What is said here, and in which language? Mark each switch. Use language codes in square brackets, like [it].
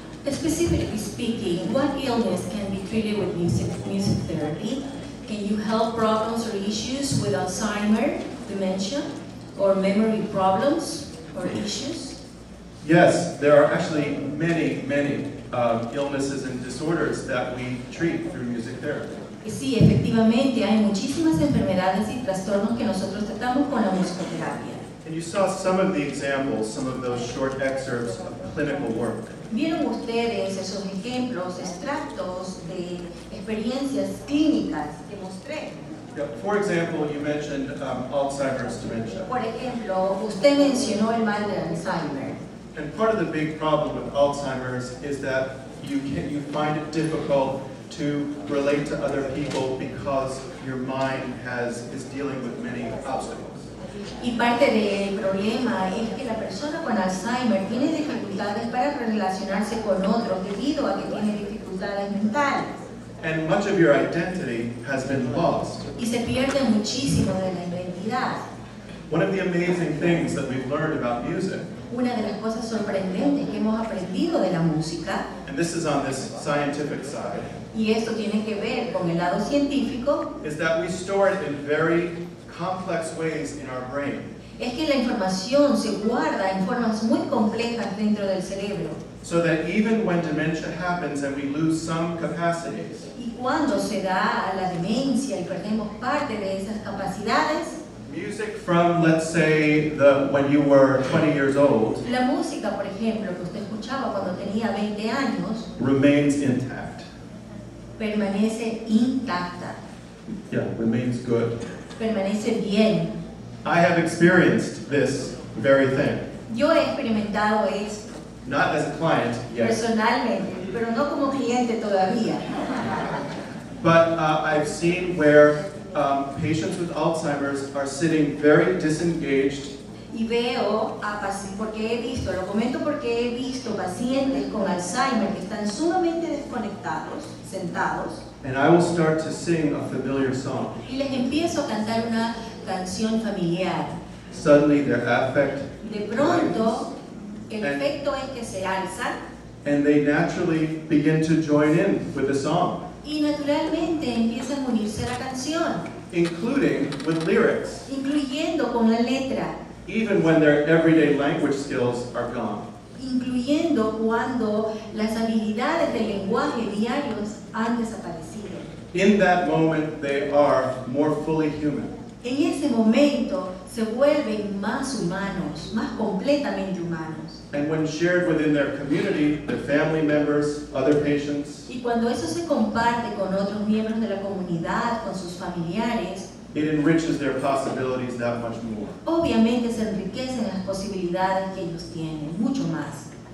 [en] Specifically speaking, what illness can be treated with music therapy? Can you help problems or issues with Alzheimer's, dementia, or memory problems or issues? Yes, there are actually many, many illnesses and disorders that we treat through music therapy. [es] Sí, efectivamente, hay muchísimas enfermedades y trastornos que nosotros tratamos con la musicoterapia. [en] And you saw some of the examples, some of those short excerpts of clinical work. [es] ¿Vieron ustedes esos ejemplos, extractos de experiencias clínicas que mostré? [en] Yeah, for example, you mentioned Alzheimer's dementia. [es] Por ejemplo, usted mencionó el mal de Alzheimer. [en] And part of the big problem with Alzheimer's is that you find it difficult to relate to other people because your mind is dealing with many obstacles. [es] Y parte del problema es que la persona con Alzheimer tiene dificultades para relacionarse con otros debido a que tiene dificultades mentales. [en] And much of your identity has been lost. [es] Y se pierde muchísimo de la identidad. [en] One of the amazing things that we've learned about music. [es] Una de las cosas sorprendentes que hemos aprendido de la música. [en] And this is on this scientific side. [es] Y esto tiene que ver con el lado científico. [en] Is that we store it in very complex ways in our brain. [es] Es que la información se guarda en formas muy complejas dentro del cerebro. [en] So that even when dementia happens and we lose some capacities. [es] Y cuando se da la demencia y perdemos parte de esas capacidades. [en] Music from, let's say, when you were 20 years old. [es] La música, por ejemplo, que usted escuchaba cuando tenía 20 años. [en] Remains intact. [es] Permanece intacta. [en] Yeah, remains good. [es] Permanece bien. [en] I have experienced this very thing. [es] Yo he experimentado esto. [en] Not as a client yet. [es] Personalmente, pero no como cliente todavía. [en] But I've seen where patients with Alzheimer's are sitting very disengaged. [es] Y veo porque he visto, lo comento porque he visto pacientes con Alzheimer que están sumamente desconectados, sentados. [en] And I will start to sing a familiar song. [es] Y les empiezo a cantar una canción familiar. [en] Suddenly their affect. [es] De pronto, el efecto es que se alzan. [en] And they naturally begin to join in with the song. [es] Y naturalmente empiezan a unirse a la canción. [en] Including with lyrics. [es] Incluyendo con la letra. [en] Even when their everyday language skills are gone. [es] Incluyendo cuando las habilidades del lenguaje diarios han desaparecido. [en] In that moment, they are more fully human. [es] En ese momento, se vuelven más humanos, más completamente humanos. [en] And when shared within their community, their family members, other patients. [es] Y cuando eso se comparte con otros miembros de la comunidad, con sus familiares. [en] It enriches their possibilities that much more. [es] Obviamente se enriquecen las posibilidades que ellos tienen, mucho más.